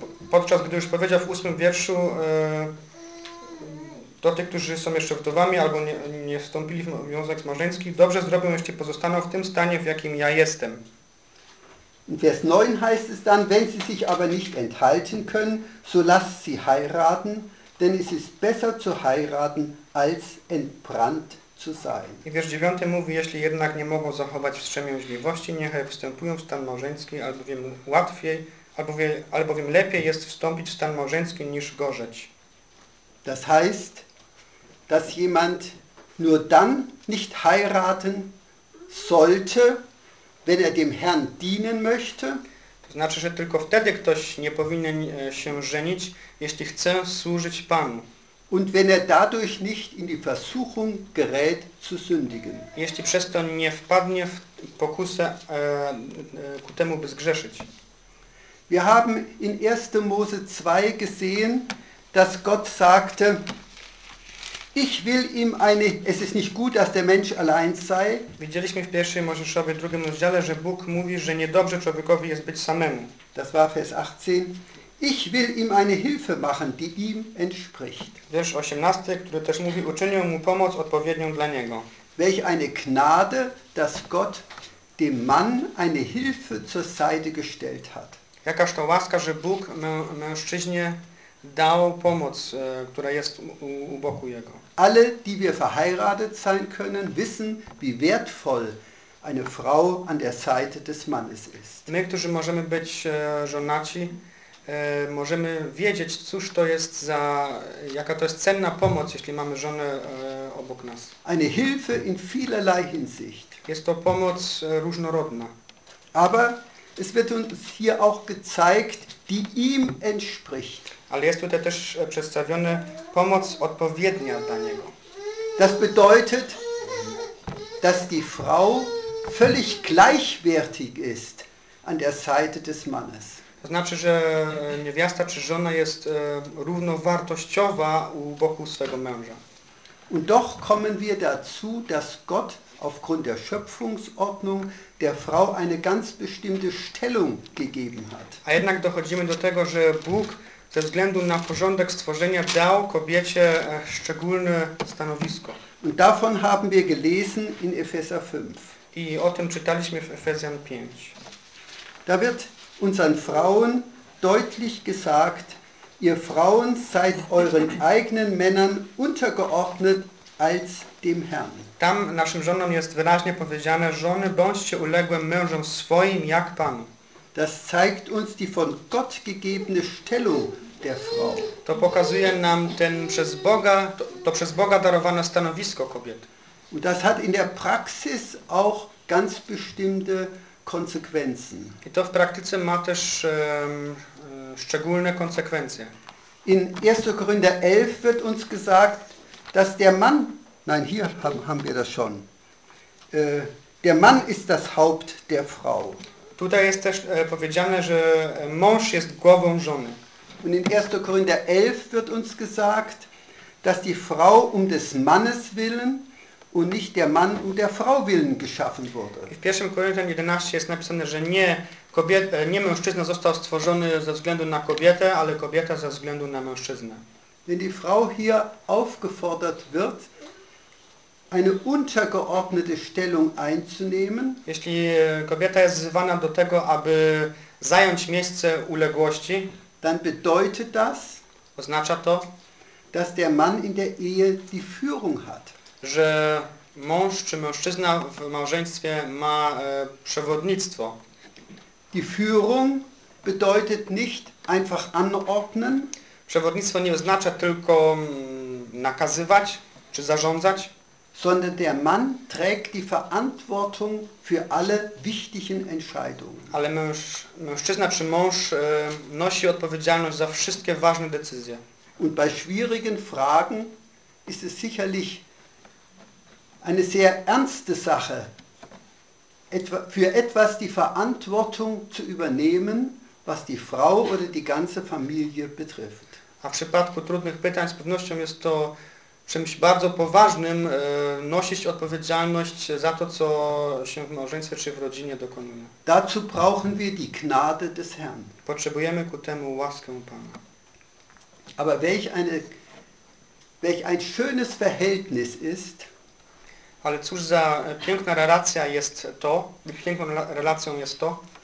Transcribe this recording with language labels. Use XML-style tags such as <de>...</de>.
<pl>Podczas gdy już powiedział w 8 wierszu, do tych, którzy są jeszcze wdowami albo nie wstąpili w związek małżeński, dobrze zrobią, jeśli pozostaną w tym stanie, w jakim ja jestem.</pl> <de>In Vers 9 heißt es dann, wenn sie sich aber nicht enthalten können, so lasst sie heiraten, denn es ist besser zu heiraten, als entbrannt zu sein.</de> <pl>I wiersz 9 mówi, jeśli jednak nie mogą zachować wstrzemięźliwości, niechaj wstępują w stan małżeński, albowiem łatwiej albowiem lepiej jest wstąpić w stan małżeński niż gorzeć.</pl> <de>Das heißt, dass jemand nur dann nicht heiraten sollte, wenn er dem Herrn dienen möchte.</de> <pl>To znaczy, że tylko wtedy ktoś nie powinien się żenić, jeśli chce służyć Panu.</pl> <de>Und wenn er dadurch nicht in die Versuchung gerät zu sündigen.</de> <pl>Jeśli przez to nie wpadnie w pokusę ku temu, by zgrzeszyć.</pl> <de>Wir haben in 1. Mose 2 gesehen, dass Gott sagte, ich will ihm eine, es ist nicht gut, dass der Mensch allein sei.</de> <pl>Widzieliśmy w 1. Mojżeszowie 2. rozdziale, że Bóg mówi, że niedobrze człowiekowi jest być samemu.</pl> <de>Das war Vers 18. Ich will ihm eine Hilfe machen, die ihm entspricht.</de> <pl>Wiersz 18, który też mówi, uczynię mu pomoc odpowiednią dla niego.</pl> <de>Welch eine Gnade, dass Gott dem Mann eine Hilfe zur Seite gestellt hat.</de> <pl>Jakaż to łaska, że Bóg mężczyźnie dał pomoc, która jest u boku jego.</pl> <de>Alle, die wir verheiratet sein können, wissen, wie wertvoll eine Frau an der Seite des Mannes ist.</de> <pl>My, którzy możemy być żonaci, możemy wiedzieć, cóż to jest za, jaka to jest cenna pomoc, jeśli mamy żonę obok nas.</pl> <de>Eine Hilfe in vielerlei Hinsicht.</de> <pl>Jest to pomoc różnorodna.</pl> <de>Aber es wird uns hier auch gezeigt, die ihm entspricht.</de> <pl>Ale jest tutaj też przedstawione pomoc odpowiednia dla niego.</pl> <de>Das bedeutet, dass die Frau völlig gleichwertig ist an der Seite des Mannes.</de> <pl>To znaczy, że niewiasta czy żona jest równowartościowa u boku swego męża.</pl> <de>Und doch kommen wir dazu, dass Gott aufgrund der Schöpfungsordnung der Frau eine ganz bestimmte Stellung gegeben hat.</de> <pl>A jednak dochodzimy do tego, że Bóg ze względu na porządek stworzenia dał kobiecie szczególne stanowisko.</pl> <de>Und davon haben wir gelesen in Epheser 5.</de> <pl>I o tym czytaliśmy w Efezjan 5.</pl> <de>Da wird unseren Frauen deutlich gesagt, ihr Frauen seid euren eigenen Männern untergeordnet als dem Herrn.</de> <pl>Tam naszym żonom jest wyraźnie powiedziane, żony, bądźcie uległe mężom swoim jak Panu.</pl> <de>Das zeigt uns die von Gott gegebene Stellung der Frau.</de> <pl>To pokazuje nam ten przez Boga, to przez Boga darowane stanowisko kobiety.</pl> <de>Und das hat in der Praxis auch ganz bestimmte Konsequenzen.</de> <pl>I to w praktyce ma też szczególne konsekwencje.</pl> <de>In 1. Korinther 11 wird uns gesagt, dass der Mann, nein, hier haben wir das schon, der Mann ist das Haupt der Frau.</de> <pl>Tutaj jest też powiedziane, że mąż jest głową żony.</pl> <de>Und in 1. Korinther 11 wird uns gesagt, dass die Frau um des Mannes willen und nicht der Mann um der Frau willen geschaffen wurde.</de> <pl>W 1. Korinther 11 jest napisane, że nie mężczyzna został stworzony ze względu na kobietę, ale kobieta ze względu na mężczyznę.</pl> <de>Wenn die Frau hier aufgefordert wird, eine untergeordnete Stellung einzunehmen.</de> <pl>Jeśli kobieta jest wzywana do tego, aby zająć miejsce uległości,</pl> <de>dann bedeutet das,</de> <pl>oznacza to,</pl> <de>dass der Mann in der Ehe die Führung hat.</de> <pl>Że mąż czy mężczyzna w małżeństwie ma przewodnictwo.</pl> <de>Die Führung bedeutet nicht einfach anordnen.</de> <pl>Przewodnictwo nie oznacza tylko nakazywać czy zarządzać.</pl> <de>Sondern der Mann trägt die Verantwortung für alle wichtigen Entscheidungen.</de> <pl>Ale mężczyzna czy mąż nosi odpowiedzialność za wszystkie ważne decyzje.</pl> <de>Und bei schwierigen Fragen ist es sicherlich eine sehr ernste Sache, für etwas die Verantwortung zu übernehmen, was die Frau oder die ganze Familie betrifft.</de> <pl>A w przypadku trudnych pytań z pewnością jest to czymś bardzo poważnym, nosić odpowiedzialność za to, co się w małżeństwie czy w rodzinie dokonuje.</pl> <de>Dazu brauchen wir die Gnade des Herrn.</de> <pl>Potrzebujemy ku temu łaskę Pana.</pl> <de>Aber welch ein schönes Verhältnis ist.</de> <pl>Ale cóż za piękna relacja jest to, piękną relacją jest to,</pl>